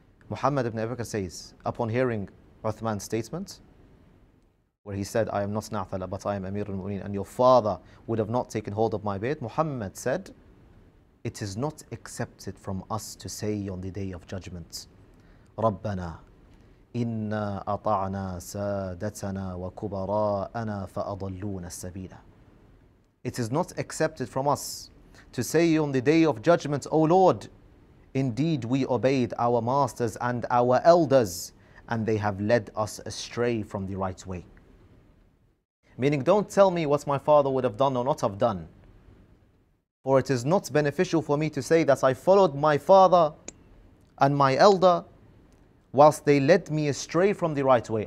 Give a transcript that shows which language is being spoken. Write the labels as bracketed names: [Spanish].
[English] Muhammad ibn Abi Bakr says, upon hearing Uthman's statement, where he said, "I am not Na'thala, but I am Amir al-Mu'mineen, and your father would have not taken hold of my beard," Muhammad said, "It is not accepted from us to say on the day of judgment, [Arabic] ربنا إنا أطعنا سادتنا وكبراءنا فأضلونا السبيلا. [English] It is not accepted from us to say on the day of judgment, O Lord, indeed we obeyed our masters and our elders, and they have led us astray from the right way. Meaning, don't tell me what my father would have done or not have done. For it is not beneficial for me to say that I followed my father and my elder whilst they led me astray from the right way.